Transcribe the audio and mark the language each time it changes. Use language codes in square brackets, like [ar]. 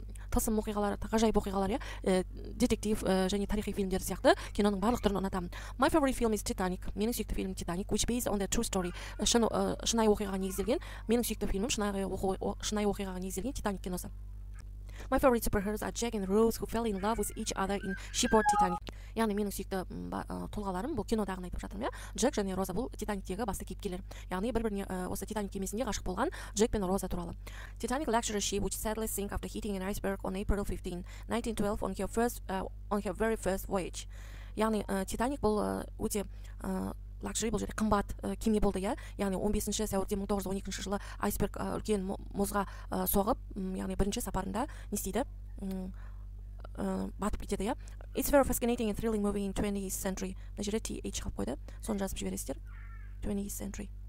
[kk] тылсым оқиғалар ғажайып оқиғалар иә детектив және тарихи фильмдер сияқты киноның барлық түрін ұнатамын [en] my favorite film is titanic [kk] менің сүйікті фильмім titanic [en] which based on the true story [kk] шынайы оқиғаға негізделген менің сүйікті фильмім шынайы оқиғаға негізделген титаник киносы [en] My favorite superheroes are Jack and Rose, who fell in love with each other in shipboard Titanic. [kk] Яғни менің сүйікті тұлғаларым бұл кинодағын айтып жатырмын иә. Джек және Роза бұл Титаниктегі басты кейіпкерлер. Яғни бір-біріне осы Титаник кемесінде ғашық болған Джек пен Роза туралы. [en] Titanic luxury ship which sadly sank after hitting an iceberg on April 15, 1912 on her very first voyage. [kk] Яғни Титаник бұл өте лакшери бұл жерде қымбат кеме болды иә яғни 15 сәуірде 1912 жылы айсберг үлкен мұзға соғып яғни бірінші сапарында не істейді батып кетеді иә [en] It's very fascinating and thrilling movie in 20th century [kk] мына жерде TH қалып қойды соны жазып жібересіздер [en] 20th century